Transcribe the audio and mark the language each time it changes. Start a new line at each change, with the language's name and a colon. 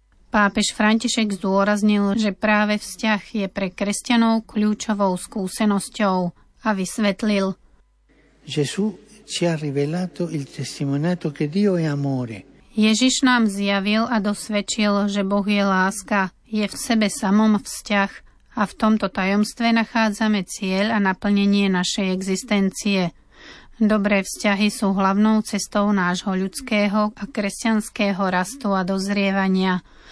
Slovak: Pápež František zdôraznil, že práve vzťah je pre kresťanov kľúčovou skúsenosťou a vysvetlil.
Italian: Jesus ci ha rivelato il testimoniato che Dio è amore.
Slovak: Ježiš nám zjavil a dosvedčil, že Boh je láska, je v sebe samom vzťah a v tomto tajomstve nachádzame cieľ a naplnenie našej existencie. Dobré vzťahy sú hlavnou cestou nášho ľudského a kresťanského rastu a dozrievania.